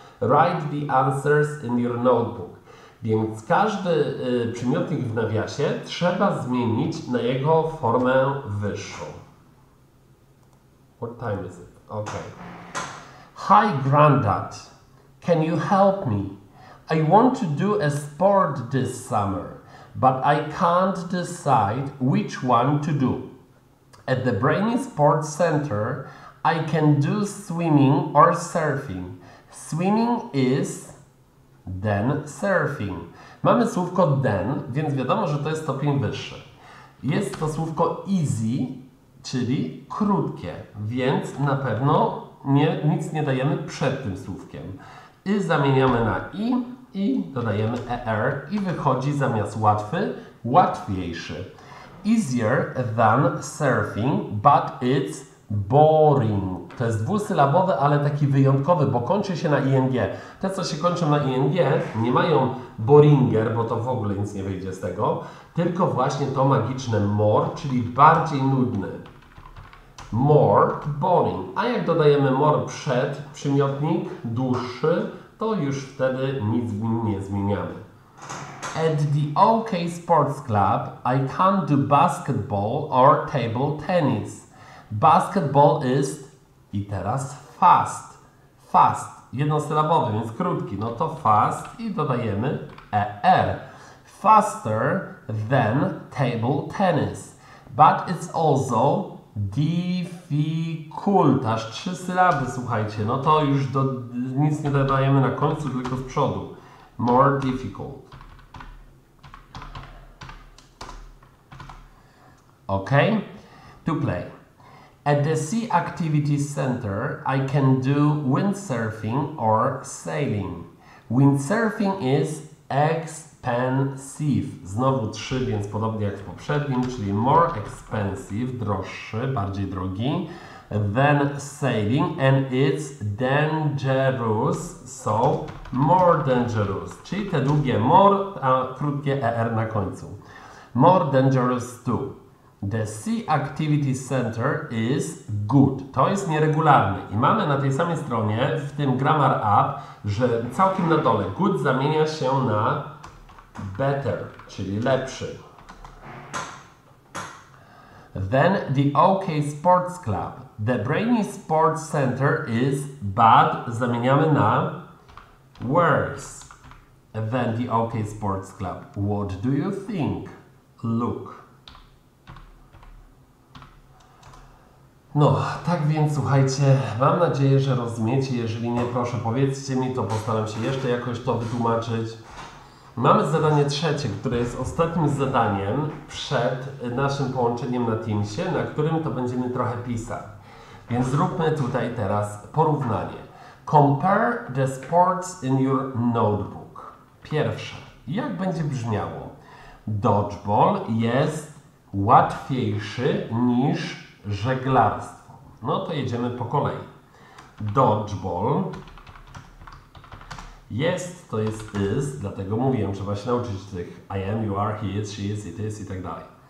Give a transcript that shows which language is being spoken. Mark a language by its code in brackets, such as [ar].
[en] Write the answers in your notebook. [pl] Więc każdy przymiotnik w nawiasie trzeba zmienić na jego formę wyższą. [en] What time is it? Okay. Hi, Grandad. Can you help me? I want to do a sport this summer, but I can't decide which one to do. At the Brainy Sports Center, I can do swimming or surfing. Swimming is then surfing. [pl] Mamy słówko then, więc wiadomo, że to jest stopień wyższy. Jest to słówko easy, czyli krótkie, więc na pewno nic nie dajemy przed tym słówkiem. I zamieniamy na i dodajemy er i wychodzi zamiast łatwy, łatwiejszy. [en] Easier than surfing, but it's boring. [pl] To jest dwusylabowy, ale taki wyjątkowy, bo kończy się na ing. Te, co się kończą na ing, nie mają boringer, bo to w ogóle nic nie wyjdzie z tego, tylko właśnie to magiczne more, czyli bardziej nudny. [en] More boring. [pl] A jak dodajemy more przed przymiotnik, dłuższy, to już wtedy nic w nim nie zmieniamy. [en] At the OK Sports Club, I can't do basketball or table tennis. Basketball is, [pl] i teraz [en] fast. [pl] Fast, jednosylabowy, więc krótki. No to fast i dodajemy er. [en] Faster than table tennis. But it's also difficult. [pl] Aż trzy sylaby, słuchajcie. No to już nic nie dodajemy na końcu, tylko z przodu. [en] More difficult. OK. To play. At the Sea Activity Center, I can do windsurfing or sailing. Windsurfing is expensive. [pl] Znowu trzy, więc podobnie jak w poprzednim, czyli more expensive, droższy, bardziej drogi, [en] than sailing, and it's dangerous, so more dangerous. [pl] Czyli te długie more, a krótkie er na końcu. [en] More dangerous too. The Sea Activity Center is good. [pl] To jest nieregularny. I mamy na tej samej stronie, w tym Grammar App, że całkiem na dole good zamienia się na better, czyli lepszy. [en] Then the OK Sports Club. The Brainy Sports Center is bad. [pl] Zamieniamy na [en] worse than the OK Sports Club. What do you think? Look. [pl] No, tak więc słuchajcie, mam nadzieję, że rozumiecie. Jeżeli nie, proszę, powiedzcie mi, to postaram się jeszcze jakoś to wytłumaczyć. Mamy zadanie trzecie, które jest ostatnim zadaniem przed naszym połączeniem na Teamsie, na którym to będziemy trochę pisać. Więc zróbmy tutaj teraz porównanie. [en] Compare the sports in your notebook. [pl] Pierwsze, jak będzie brzmiało? Dodgeball jest łatwiejszy niż żeglarstwo. No to jedziemy po kolei. Dodgeball jest, to jest is, dlatego mówiłem, trzeba się nauczyć tych [en] I am, you are, he is, she is, it is [pl] i tak dalej.